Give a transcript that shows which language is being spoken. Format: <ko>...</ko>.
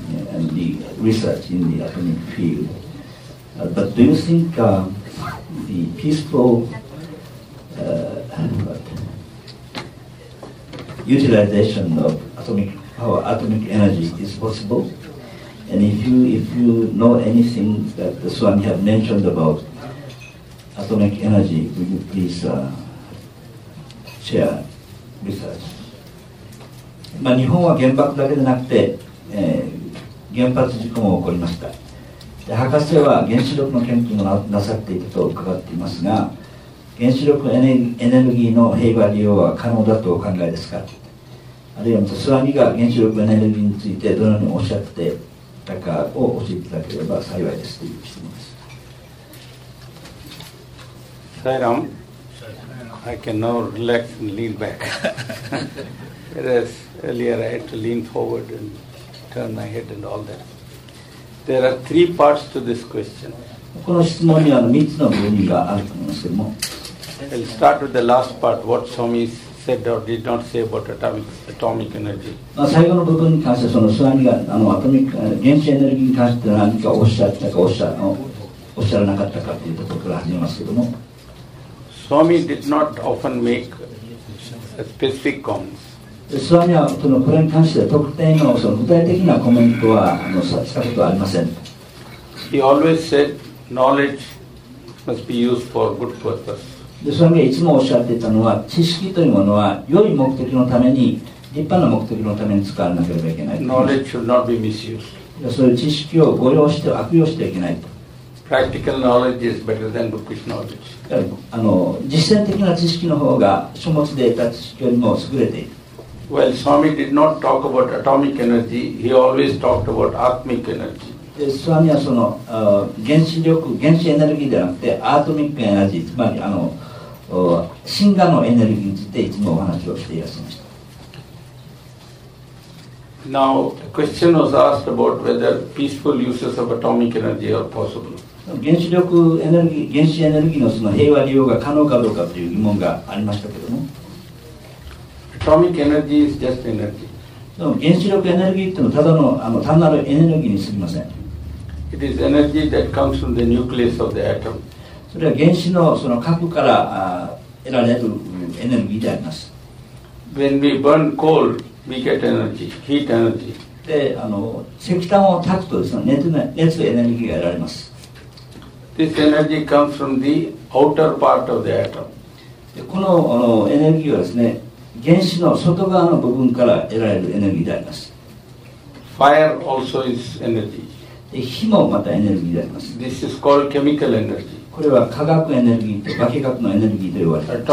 <en>And the research in the atomic field. But do you think the peaceful utilization of atomic power, atomic energy is possible? And if you know anything that the Swami have mentioned about atomic energy, would you please share research?</en> <ja>まあ日本は原爆だけでなくて、原発事故も起こりました。で、博士は原子力の研究も なさっていたと伺っていますが、原子力エネルギーの平和利用は可能だとお考えですか？あるいはスワミが原子力エネルギーについてどのようにおっしゃっていたかを教えていただければ幸いですという質問です。</ja> <en>サイラン、I can now relax and lean back. Whereas earlier I had to lean forward andturn my head and all that. There are three parts to this question.</en> <ja>この質問には3つの部分があると思いますけども。</ja> <en>I'll start with the last part, what Swami said or did not say about atomic energy.</en> <ja>最後の部分に関して、そのスワミが原子エネルギーに関して何かおっしゃったかおっしゃらなかったかというところから始めますけども。</ja> <en>Swami did not often make specific comments.</en> <ja>スワミはそのこれに関して特定 の, その具体的なコメントはしたことはありません。</ja> <en>He always said knowledge must be used for good purpose.</en> <ja>スワミがいつもおっしゃっていたのは、知識というものは良い目的のために、立派な目的のために使わなければいけない。</ja> <en>Knowledge should not be misused.</en> <ja>そういう知識を誤用して悪用してはいけないと。</ja> <en>Practical knowledge is better than bookish knowledge.</en> <ja>実践的な知識の方が書物で得た知識よりも優れている。</ja> <en>Well, Swami did not talk about atomic energy. He always talked about atomic energy.</en> <ja>Swami はその原子エネルギーではなくて、アトミックエネルギー、つまり神話のエネルギーについていつもお話をしていらっしゃいました。</ja> <en>Now, the question was asked about whether peaceful uses of atomic energy are possible.</en> <ja>原子エネルギーのその平和利用が可能かどうかという疑問がありましたけども。</ja> <en>Atomic energy is just energy.</en> <ja>原子力エネルギーというのはただの単なるエネルギーにすぎません。</ja> <en>It is energy that comes from the nucleus of the atom.</en> <ja>それは原子のその核から得られるエネルギーであります。</ja> <en>When we burn coal, we get energy, heat energy.</en> <ja>で、石炭を焚くとですね、熱エネルギーが得られます。</ja> <en>This energy comes from the outer part of the atom.</en> <ja>で、このエネルギーはですね、原子の外側の部分から得られるエネルギーであります。</ja> <en>Fire also is energy.</en> <ja>火もまたエネルギーであります。</ja> <en>This is called chemical energy.</en> <ja>これは化学エネルギーと化学のエネルギーと言われています</ja>